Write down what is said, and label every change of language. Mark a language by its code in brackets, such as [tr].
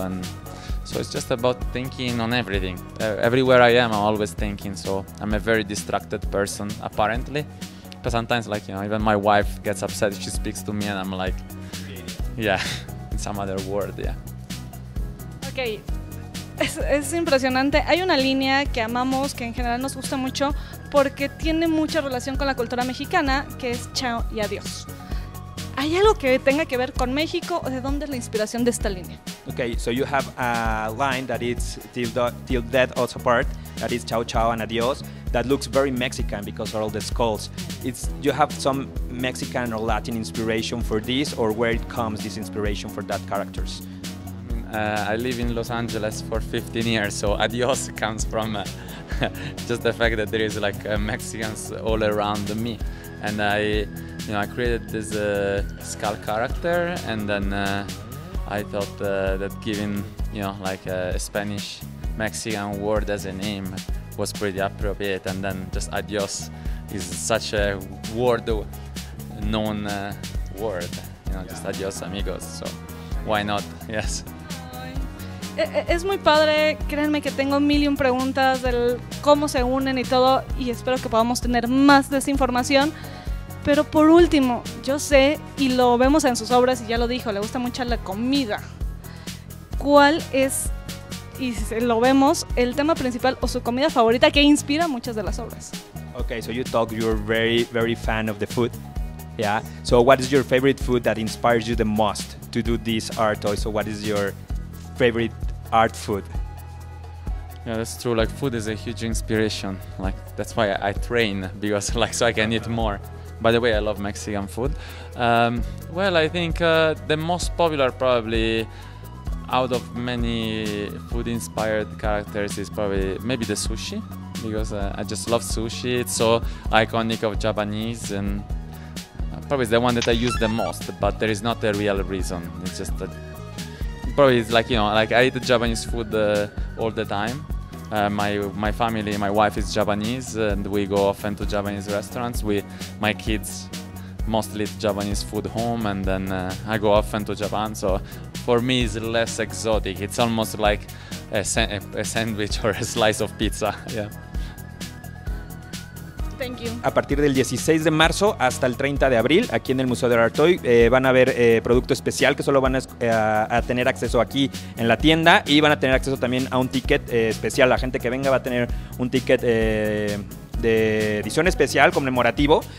[en] And so it's just about thinking on everything. Everywhere I am, I'm always thinking, so I'm a very distracted person, apparently. But sometimes, like, you know, even my wife gets upset, she speaks to me and I'm like, yeah, in some other world, yeah. Okay. [es] Es impresionante. Hay una línea que amamos, que en general nos gusta mucho, porque tiene mucha relación con la cultura mexicana, que es chao y adiós. ¿Hay algo que tenga que ver con México o de dónde es la inspiración de esta línea? [en] Okay, so you have a line that is till death us apart, that is chao chao and adiós, that looks very Mexican because of all the skulls. It's, you have some Mexican or Latin inspiration for this, or where it comes, this inspiration for that characters? I live in Los Angeles for 15 years, so adios comes from just the fact that there is like Mexicans all around me. And I, you know, I created this skull character, and then I thought that giving, you know, like a Spanish Mexican word as a name was pretty appropriate. And then just adios is such a world known word, you know, yeah. Just [es] adios amigos, [en] so why not, yes. [es] Es muy padre, créanme que tengo mil y un preguntas del cómo se unen y todo, y espero que podamos tener más de esa información. Pero por último, yo sé, y lo vemos en sus obras y ya lo dijo, le gusta mucho la comida. ¿Cuál es, y lo vemos, el tema principal o su comida favorita que inspira muchas de las obras? [en] Okay, so you talk, you're very, very fan of the food, yeah? So what is your favorite food that inspires you the most to do this art toy? So what is your favorite art food? Yeah, that's true. Like, food is a huge inspiration. Like, that's why I train, because like, so I can eat more. By the way, I love Mexican food. Well, I think the most popular, probably out of many food inspired characters, is probably maybe the sushi, because I just love sushi. It's so iconic of Japanese, and probably the one that I use the most, but there is not a real reason. It's just that probably it's like, you know, like I eat Japanese food all the time, My family, my wife is Japanese, and we go often to Japanese restaurants. My kids mostly eat Japanese food home, and then I go often to Japan. So for me, it's less exotic. It's almost like a sandwich or a slice of pizza. Yeah. Thank you. [es] A partir del 16 de marzo hasta el 30 de abril, aquí en el Museo del Artoy, van a ver producto especial que solo van a tener acceso aquí en la tienda, y van a tener acceso también a un ticket especial. La gente que venga va a tener un ticket de edición especial, conmemorativo.